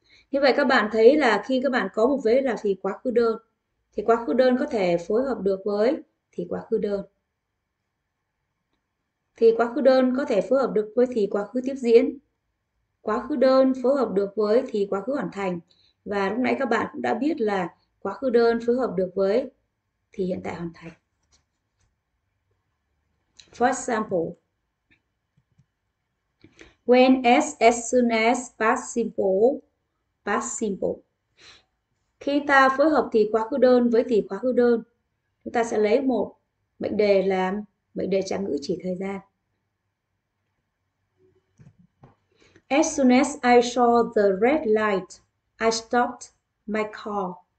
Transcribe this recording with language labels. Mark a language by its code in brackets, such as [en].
[vi] Như vậy các bạn thấy là khi các bạn có một vế là thì quá khứ đơn, thì quá khứ đơn có thể phối hợp được với thì quá khứ đơn. Thì quá khứ đơn có thể phối hợp được với thì quá khứ tiếp diễn. Quá khứ đơn phối hợp được với thì quá khứ hoàn thành. Và lúc nãy các bạn cũng đã biết là quá khứ đơn phối hợp được với thì hiện tại hoàn thành. [en] For example, when as soon as past simple. [vi] Khi ta phối hợp thì quá khứ đơn với thì quá khứ đơn, chúng ta sẽ lấy một mệnh đề làm mệnh đề trạng ngữ chỉ thời gian. [en] As soon as I saw the red light, I stopped my car.